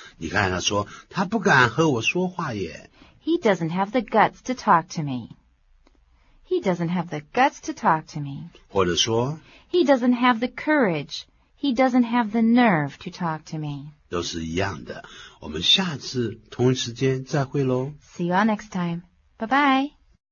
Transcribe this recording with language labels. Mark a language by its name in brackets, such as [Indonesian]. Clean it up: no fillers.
[Chinese] 你看他说，他不敢和我说话耶。 [English] He doesn't have the guts to talk to me. He doesn't have the guts to talk to me. [Chinese] 或者说 [English] He doesn't have the courage. He doesn't have the nerve to talk to me. [Chinese] 都是一样的。我们下次同一时间再会咯。 [English] See you all next time. Bye-bye.